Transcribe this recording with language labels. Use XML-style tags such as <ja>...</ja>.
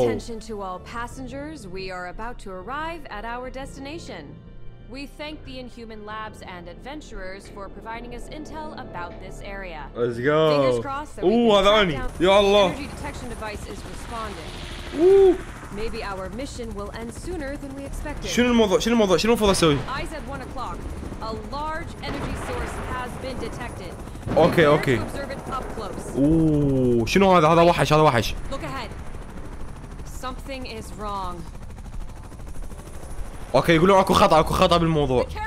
<en>Attention to all passengers. We are about to arrive at our destination. We thank the Inhuman Labs and adventurers for providing us intel about this area. Let's go. Ooh, Adani. Ya Allah. Energy detection device is responding. Ooh. Maybe our mission will end sooner than we expected.</en> <ar>شنو الموضوع؟ شنو الموضوع؟ شنو المفروض اسوي؟</ar> <en>I said 1 o'clock. A large energy source has been detected. Okay, okay.</en> <ar>Ooh, شنو هذا؟ هذا وحش، هذا وحش.</ar> <en>Look ahead. Something is wrong.</en> <ar>اوكي يقولون اكو خطا اكو خطا بالموضوع.</ar>